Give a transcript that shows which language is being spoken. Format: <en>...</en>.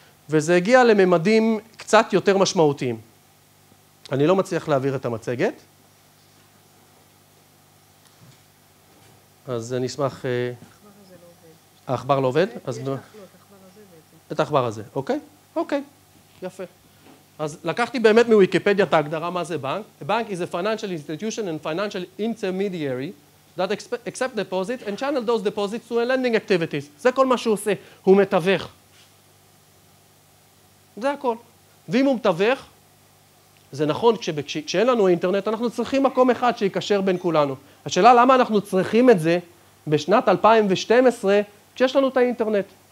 <he>וזה הגיע לממדים קצת יותר משמעותיים. אני לא מצליח להעביר את המצגת. אז אני אשמח... העכבר לא עובד? אז... את העכבר הזה, אוקיי? אוקיי, יפה. אז לקחתי באמת מוויקיפדיה את ההגדרה מה זה בנק.</he> <en>A bank is a financial institution and financial intermediary that accept deposit and channel those deposits to a lending activities.</en> <he>זה כל מה שהוא עושה, הוא מתווך. זה הכל. ואם הוא מתווך, זה נכון, כשאין לנו אינטרנט, אנחנו צריכים מקום אחד שיקשר בין כולנו. השאלה למה אנחנו צריכים את זה בשנת 2012, כשיש לנו את האינטרנט?</he>